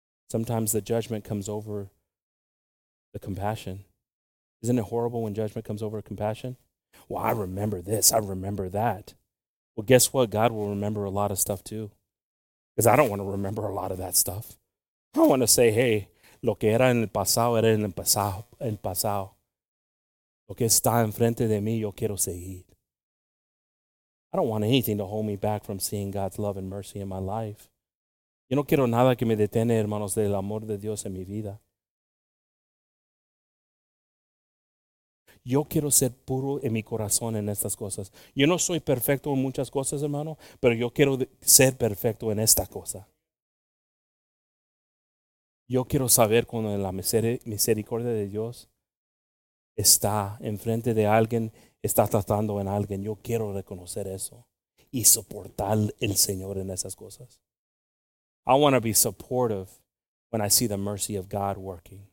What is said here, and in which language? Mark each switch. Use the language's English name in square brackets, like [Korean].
[English] Sometimes the judgment comes over the compassion. Isn't it horrible when judgment comes over compassion? Well, I remember this. I remember that. Well, guess what? God will remember a lot of stuff too. Because I don't want to remember a lot of that stuff. I want to say, hey, [Spanish] lo que era en el pasado, lo que está enfrente de mí, yo quiero seguir. [English] I don't want anything to hold me back from seeing God's love and mercy in my life. [Spanish] Yo no quiero nada que me detenga, hermanos, del amor de Dios en mi vida. Yo quiero ser puro en mi corazón en estas cosas. Yo no soy perfecto en muchas cosas, hermano, pero yo quiero ser perfecto en esta cosa. Yo quiero saber cuando la misericordia de Dios está enfrente de alguien, está tratando en alguien. Yo quiero reconocer eso y soportar el Señor en esas cosas. [English] I want to be supportive when I see the mercy of God working.